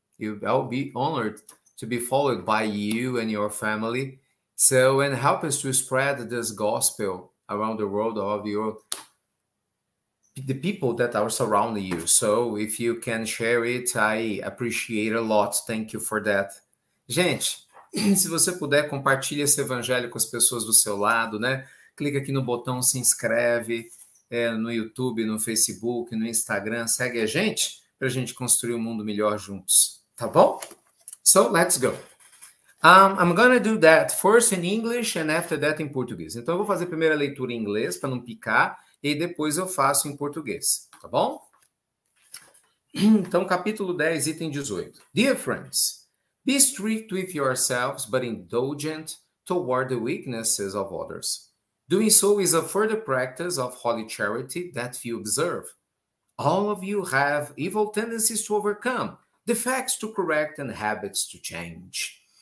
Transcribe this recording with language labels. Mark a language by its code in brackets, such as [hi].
[en] I'll be honored to be followed by you and your family. So, and help us to spread this gospel around the world of the people that are surrounding you. So, if you can share it, I appreciate a lot. Thank you for that. [pt] Gente, Se você puder, compartilhe esse evangelho com as pessoas do seu lado, né? Clica aqui no botão, se inscreve no YouTube, no Facebook, no Instagram. Segue a gente para a gente construir um mundo melhor juntos, tá bom? [en] So, let's go. I'm gonna do that first in English and after that in português. [pt] Então, eu vou fazer a primeira leitura em inglês para não picar e depois eu faço em português, tá bom? Então, capítulo 10, item 18. [en] Dear friends, be strict with yourselves, but indulgent toward the weaknesses of others. Doing so is a further practice of holy charity that few observe. All of you have evil tendencies to overcome, defects to correct, and habits to change.